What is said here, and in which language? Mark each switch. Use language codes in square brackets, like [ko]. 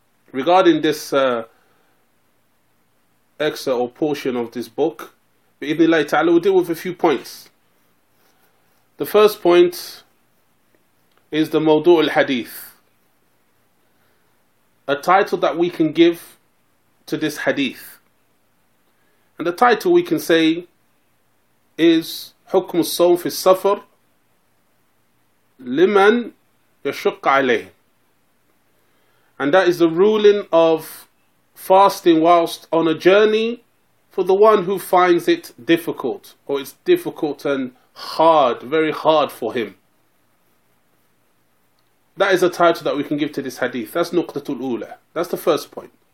[en] Regarding this excerpt or portion of this book, [ar] بإذن الله تعالى, [en] we'll deal with a few points. The first point is the [ar] موضوع الحديث. [en] A title that we can give to this hadith. And the title we can say is [ar] حكم الصوم في السفر لمن يشق عليه. [en] And that is the ruling of fasting whilst on a journey for the one who finds it difficult, or it's difficult and hard, very hard for him. That is a title that we can give to this hadith. That's Nuqtatul Ula. That's the first point.